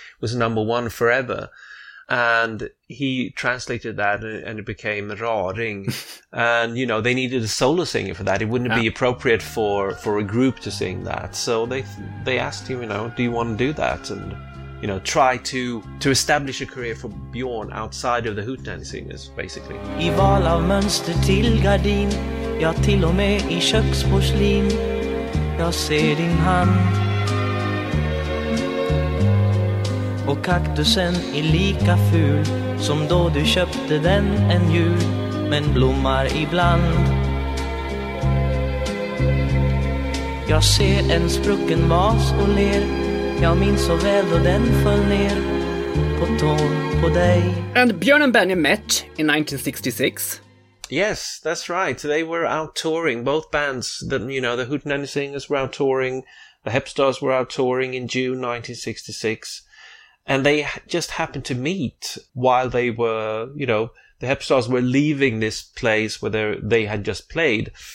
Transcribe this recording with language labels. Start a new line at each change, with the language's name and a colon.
English: It was number one forever. And he translated that and it became Raring. And, you know, they needed a solo singer for that. It wouldn't be appropriate for a group to sing that. So they asked him, you know, do you want to do that? And, you know, try to establish a career for Bjorn outside of the Hootenanny Singers, basically.
Swedish: I val av mönster till gardin, ja, till och med i köksporslin, jag ser din hand. Och kaktusen är lika ful som då du köpte den en jul, men blommar ibland. Jag ser en sprucken vas och ler. Jag minns så väl då den föll ner på tån på dig.
English: And Björn and Benny met in 1966. Yes, that's right. They were out touring, both bands. The Hootenanny Singers were out touring. The Hep Stars were out touring in June 1966. And they just happened to meet while they were, you know, the Hep Stars were leaving this place where they had just played.